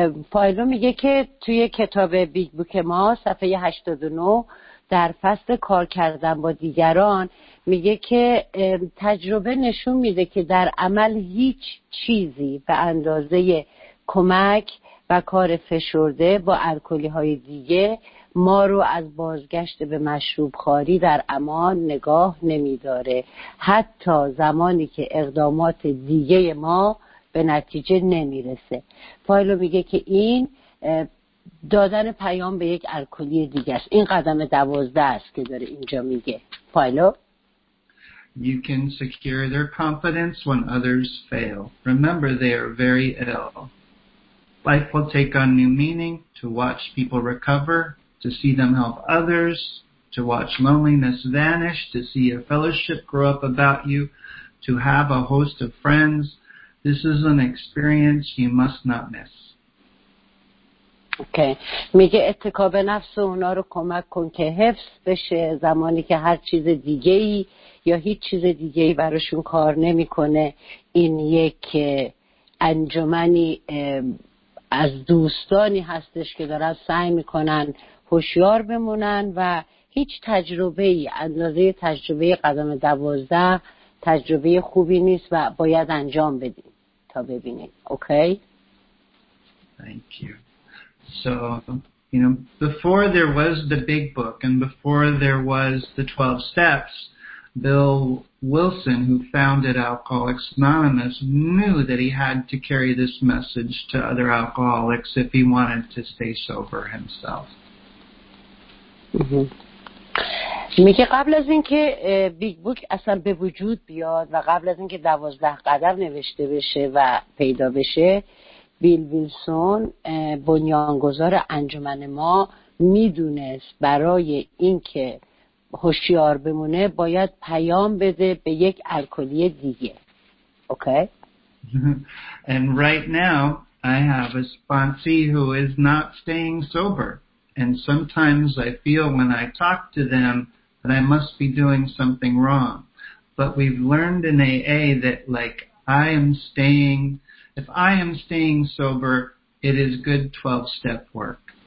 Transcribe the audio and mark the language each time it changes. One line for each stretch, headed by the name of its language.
Persian: پایلو میگه که توی کتاب بیگ بوک ما صفحه 89 در فصل کار کردن با دیگران میگه که تجربه نشون میده که در عمل هیچ چیزی به اندازه کمک و کار فشرده با الکلی های دیگه ما رو از بازگشت به مشروب خواری در امان نگاه نمیداره، حتی زمانی که اقدامات دیگه ما به نتیجه نمیرسه. فایلو میگه که این دادن پیام به یک الکلی دیگه است. این قدم 12 است که داره اینجا میگه. فایلو.
English: You can secure their confidence when others fail. Remember they are very ill. Life will take on new meaning to watch people recover, to see them help others, to watch loneliness vanish, to see a fellowship grow up about you, to have a host of friends. This is an experience you must not miss. Okay.
Persian: میگه اتکا به نفس و اونا رو کمک کن که حفظ بشه زمانی که هر چیز دیگه‌ای یا هیچ چیز دیگه‌ای براشون کار نمی‌کنه. این یک انجمنی از دوستانی هستش که دارن سعی می‌کنن هوشیار بمونن و هیچ تجربه‌ای اندازه تجربه قدم 12 تجربه خوبی نیست و باید انجام بدین تا ببینین.
English: Okay. Thank you. So, you know, before there was the big book and before there was the 12 steps, Bill Wilson, who founded Alcoholics Anonymous, knew that he had to carry this message to other alcoholics if he wanted to stay sober himself. Mm-hmm.
Persian: میگه قبل از اینکه بیگ بوک اصلا به وجود بیاد و قبل از اینکه 12 قدم نوشته بشه و پیدا بشه، بیل ویلسون بنیانگذار انجمن ما میدونست برای اینکه هوشیار بمونه باید پیام بده به یک الکلی دیگه.
English: Okay? And right now I have a sponsee who is not staying sober. And sometimes I feel when I talk to them that I must be doing something wrong. But we've learned in AA that, like, I am staying, if I am staying sober, it is good 12-step work.